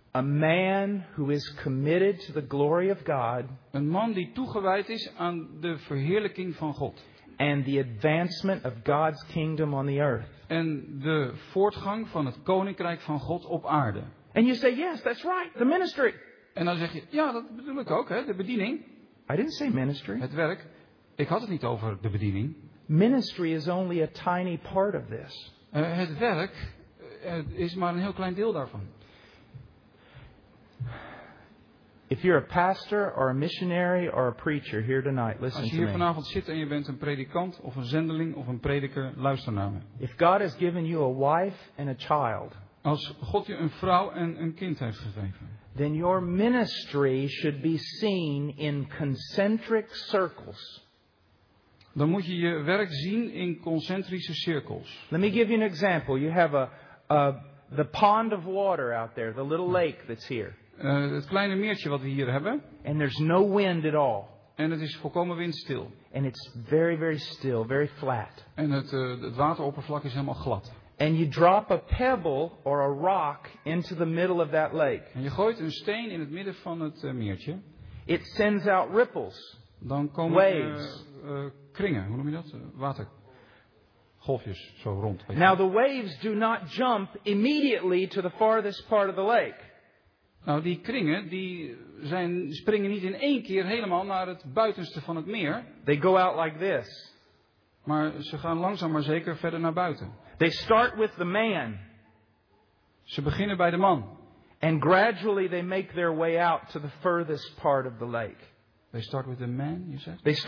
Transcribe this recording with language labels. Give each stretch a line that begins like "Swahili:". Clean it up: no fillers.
English: A man who is committed to the glory of God.
Dutch: Een man die toegewijd is aan de verheerlijking van God.
English: And the advancement of God's kingdom on the earth.
Dutch: En de voortgang van het koninkrijk van God op aarde.
English: And you say, yes, that's right, the ministry.
Dutch: En dan zeg je, ja, dat bedoel ik ook, hè, de bediening.
English: I didn't say ministry.
Dutch: Het werk. Ik had het niet over de bediening.
English: Ministry is only a tiny part of this.
Dutch: Het werk is maar een heel klein deel daarvan.
English: If you're a pastor or a missionary or a preacher here tonight, listen to me.
Dutch: Als je hier vanavond zit en je bent een predikant of een zendeling of een prediker, luister naar me.
English: If God has given you a wife and a child,
Dutch: als God je een vrouw en een kind heeft gegeven,
English: then your ministry should be seen in concentric circles.
Dutch: Dan moet je je werk zien in concentrische cirkels.
English: Let me give you an example. You have the pond of water out there, the little lake that's here.
Dutch: Het kleine meertje wat we hier hebben.
English: And there's no wind at all.
Dutch: En het is volkomen windstil.
English: And it's very, very still, very flat.
Dutch: En het wateroppervlak is helemaal glad.
English: And you drop a pebble or a rock into the middle of that lake.
Dutch: En je gooit een steen in het midden van het meertje.
English: It sends out ripples.
Dutch: Dan komen
English: waves.
Dutch: Kringen, hoe noem je dat? Watergolfjes zo rond.
English: Now the waves do not jump immediately to the farthest part of the lake.
Dutch: Nou, die kringen, die springen niet in één keer helemaal naar het buitenste van het meer.
English: They go out like this.
Dutch: Maar ze gaan langzaam maar zeker verder naar buiten.
English: They start with the man.
Dutch: Ze beginnen bij de man.
English: And gradually they make their way out to the furthest part of the lake. They start with the man, you said?